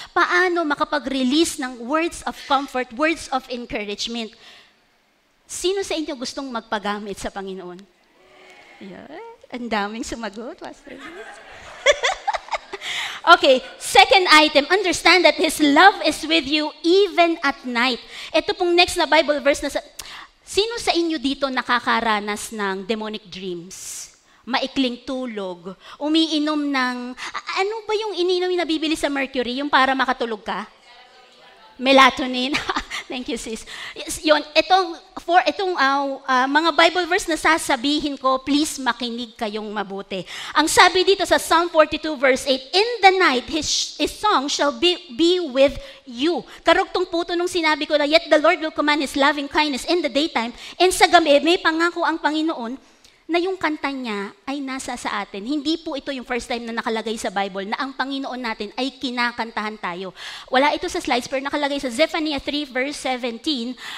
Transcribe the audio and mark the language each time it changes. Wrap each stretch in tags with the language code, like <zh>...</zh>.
<tl>Paano makapag-release ng</tl> <en>words of comfort, words of encouragement?</en> <tl>Sino sa inyo gustong magpagamit sa Panginoon? Yeah. Ang daming sumagot, Pastor.</tl> <en>Okay, second item, understand that His love is with you even at night.</en> <tl>Ito pong next na Bible verse na sa... Sino sa inyo dito nakakaranas ng demonic dreams? Maikling tulog, umiinom ng... Ano ba yung iniinom yung nabibili sa mercury, yung para makatulog ka? Melatonin.</tl> <en>Thank you, sis. Yes,</en> <tl>yon. Itong mga Bible verse na sasabihin ko, please makinig kayong mabuti. Ang sabi dito sa</tl> <en>Psalm 42 verse 8, in the night his song shall be with you.</en> <tl>Karugtong puto nung sinabi ko na,</tl> <en>yet the Lord will command His loving kindness in the daytime.</en> <tl>And sa gabi, may pangako ang Panginoon na yung kanta niya ay nasa sa atin. Hindi po ito yung first time na nakalagay sa Bible na ang Panginoon natin ay kinakantahan tayo. Wala ito sa slides, pero nakalagay sa Zephaniah 3 verse 17.</tl>